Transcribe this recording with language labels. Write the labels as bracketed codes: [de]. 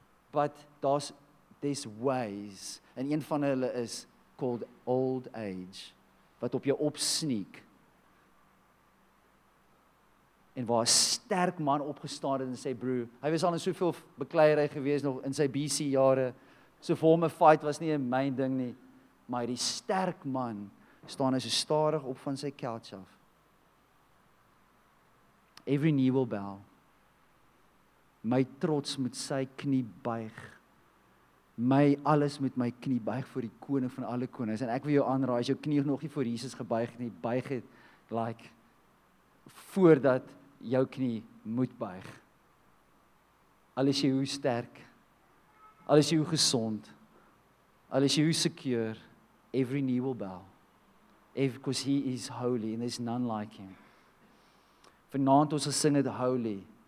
[en] But there's ways, [af] en een van hulle is called old age, wat op jou opsneek, en waar 'n sterk man opgestaan het en sê, bro, hy was al in soveel bekleierij gewees, nog in sy BC jare, so vir hom 'n fight was nie 'n myn ding nie, maar die sterk man staan hy so stadig op van sy couch af. [en] Every knee will bow. [af] My trots moet sy knie buig. My alles moet my knie buig voor die koning van alle konings. En ek wil jou aanraai, as jou knie nog nie voor Jesus gebuig nie, buig het, like, voordat jou knie moet buig. Al is jy hoe sterk, al is jy hoe gesond, al is jy hoe secure, [en] every knee will bow. Because he is holy and there's none like him. [af] Vanaand ons gesing het holy.